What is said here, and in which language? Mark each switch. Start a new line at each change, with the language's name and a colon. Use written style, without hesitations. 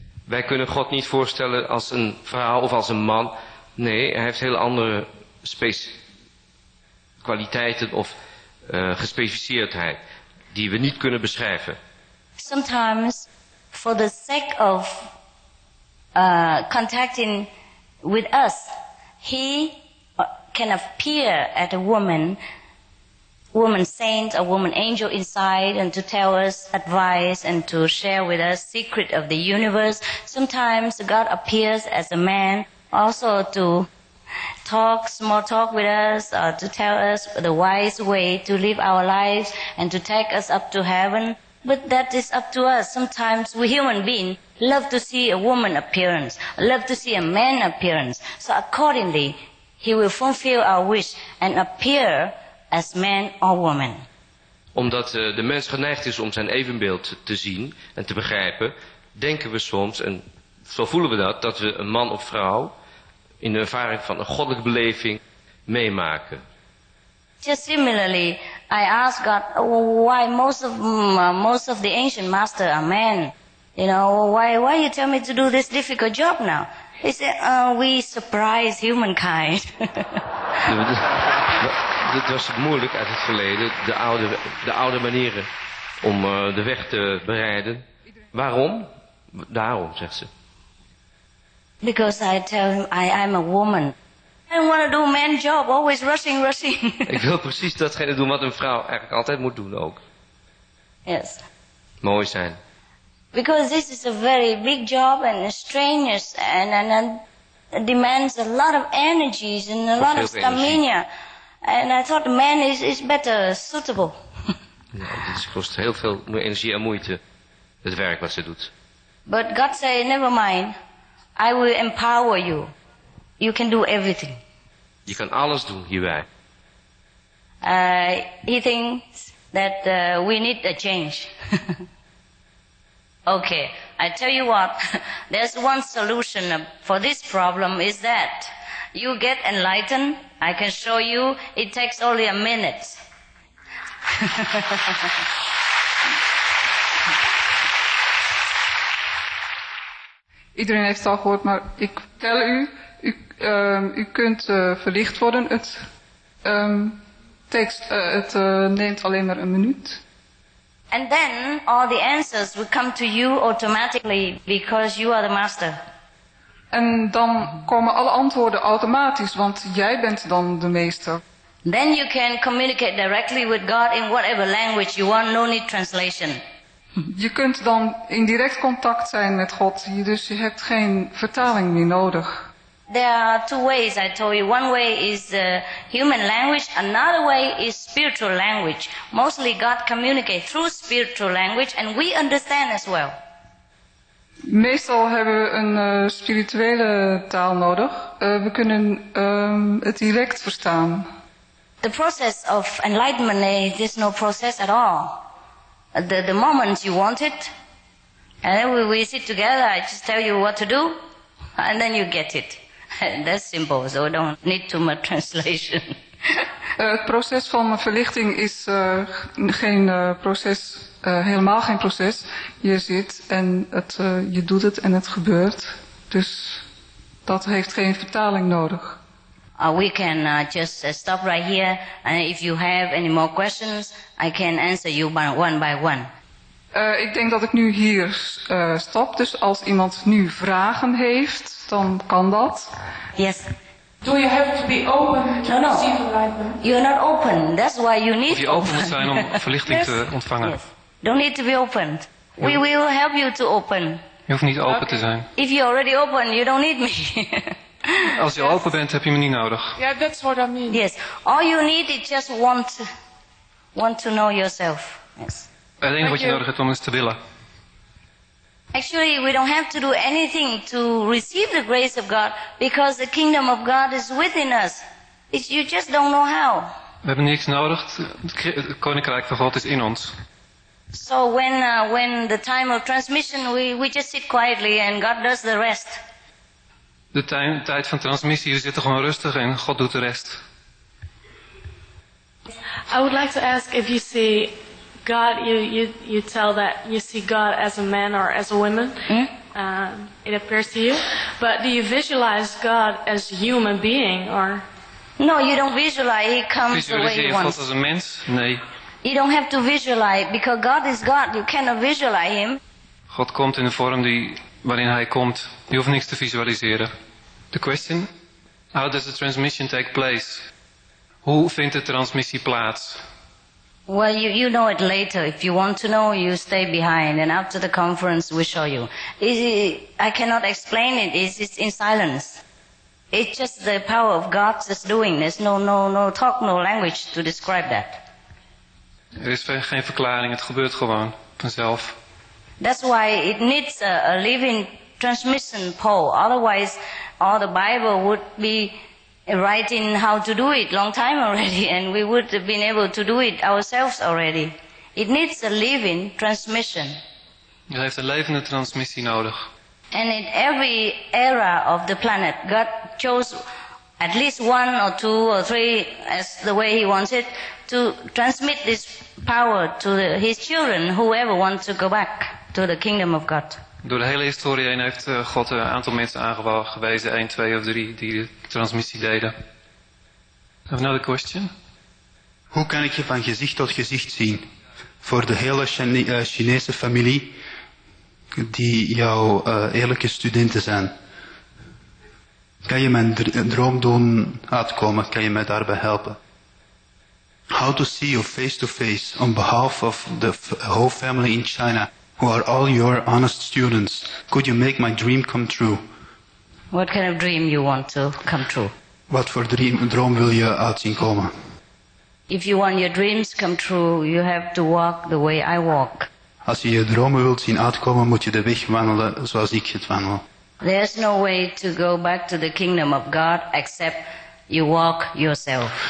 Dutch: Wij kunnen God niet voorstellen als een vrouw of als een man. Nee, hij heeft heel andere kwaliteiten of gespecificeerdheid die we niet kunnen beschrijven.
English: Sometimes, for the sake of contacting with us, he can appear at a woman saint, a woman angel inside, and to tell us advice and to share with us secret of the universe. Sometimes God appears as a man also to talk small talk with us, or to tell us the wise way to live our lives and to take us up to heaven. But that is up to us. Sometimes we human beings love to see a woman appearance, love to see a man appearance. So accordingly, he will fulfill our wish and appear as man or woman.
Dutch: Omdat de mens geneigd is om zijn evenbeeld te zien en te begrijpen, denken we soms, en zo voelen we dat we een man of vrouw in de ervaring van een goddelijke beleving meemaken.
English: Just similarly, I ask God, why most of the ancient master are men? You know, why you tell me to do this difficult job now? He said, we surprise humankind.
Dutch: Het was moeilijk uit het verleden, de oude manieren om de weg te bereiden. Waarom? Daarom, zegt ze.
English: Because I tell him I'm a woman. I don't want to do a man job, always rushing.
Dutch: Ik wil precies datgene doen wat een vrouw eigenlijk altijd moet doen ook.
English: Yes.
Dutch: Mooi zijn.
English: Because this is a very big job and strenuous and demands a lot of energies and a lot of stamina. And I thought the man is better suitable.
Dutch: Het kost heel veel energie en moeite, het werk wat ze doet.
English: But God said, never mind, I will empower you. You can do everything.
Dutch: Je kan alles doen hierbij.
English: He thinks that we need a change. Okay, I tell you what, there's one solution for this problem is that you get enlightened. I can show you, it takes only a minute.
Dutch: Iedereen heeft het al gehoord, maar ik vertel u, u kunt verlicht worden. Het neemt alleen maar een minuut.
English: And then all the answers will come to you automatically because you are the master.
Dutch: En dan komen alle antwoorden automatisch, want jij bent dan de meester.
English: Then you can communicate directly with God in whatever language you want, no need translation.
Dutch: Je kunt dan in direct contact zijn met God, dus je hebt geen vertaling meer nodig.
English: There are two ways, I told you. One way is human language, another way is spiritual language. Mostly God communicates through spiritual language and we understand as well.
Dutch: Meestal hebben we een spirituele taal nodig. We kunnen het direct verstaan.
English: The process of enlightenment is no process at all. The moment you want it, and then we sit together, I just tell you what to do, and then you get it. That's simple, so we don't need too much translation.
Dutch: Het proces van verlichting is geen proces, helemaal geen proces. Je zit en je doet het en het gebeurt. Dus dat heeft geen vertaling nodig.
English: We can just stop right here. And if you have any more questions, I can answer you one by one.
Dutch: Ik denk dat ik nu hier stop. Dus als iemand nu vragen heeft, dan kan dat.
English: Yes. Do you have to be open to receive enlightenment? You're not open. That's why you need to open.
Dutch: Moet je open zijn om verlichting te ontvangen.
English: Yes. Don't need to be opened. We will help you to open.
Dutch: Je hoeft niet open te zijn.
English: If you're already open, you don't need me.
Dutch: Als je open bent, heb je me niet nodig.
English: Yeah, that's what I mean. Yes. All you need is just want to know yourself. Yes.
Dutch: Het enige wat je nodig hebt om eens te willen.
English: Actually, we don't have to do anything to receive the grace of God, because the kingdom of God is within us. You just don't know how.
Dutch: We hebben niks nodig. Het koninkrijk van God is in ons.
English: So when the time of transmission, we just sit quietly and God does the rest.
Dutch: De tijd van transmissie, we zitten gewoon rustig en God doet de rest.
English: I would like to ask if you see God, you tell that you see God as a man or as a woman. It appears to you. But do you visualize God as a human being or? No, you don't visualize. He comes the way he wants.
Dutch: Visualiseer God als een mens? Nee.
English: You don't have to visualize, because God is God. You cannot visualize him.
Dutch: God komt in de vorm die waarin hij komt. Je hoeft niks te visualiseren.
English: The question: how does the transmission take place?
Dutch: Hoe vindt de transmissie plaats?
English: Well, you know it later. If you want to know, you stay behind, and after the conference, we show you. I cannot explain it. It's in silence. It's just the power of God that's doing. There's no talk, no language to describe that.
Dutch: Er is geen verklaring. Het gebeurt gewoon vanzelf.
English: That's why it needs a living transmission pole. Otherwise, all the Bible would be writing how to do it long time already, and we would have been able to do it ourselves already. It needs a living transmission.
Dutch: Je heeft een levende transmissie nodig.
English: And in every era of the planet, God chose at least one or two or three as the way he wants it to transmit this power to his children, whoever wants to go back to the kingdom of God.
Dutch: Door de hele historie heen heeft God een aantal mensen aangewezen, 1, 2 of 3, die de transmissie deden.
English: I have another question.
Dutch: Hoe kan ik je van gezicht tot gezicht zien voor de hele Chinese familie die jouw eerlijke studenten zijn? Kan je mijn droom doen uitkomen? Kan je mij daarbij helpen?
English: How to see you face to face on behalf of the whole family in China, who are all your honest students? Could you make my dream come true? What kind of dream you want to come true?
Dutch: Wat voor droom wil je uitzien komen?
English: If you want your dreams come true, you have to walk the way I walk.
Dutch: Als je je dromen wilt zien uitkomen, moet je de weg wandelen zoals ik het wandel.
English: There's no way to go back to the kingdom of God except you walk yourself.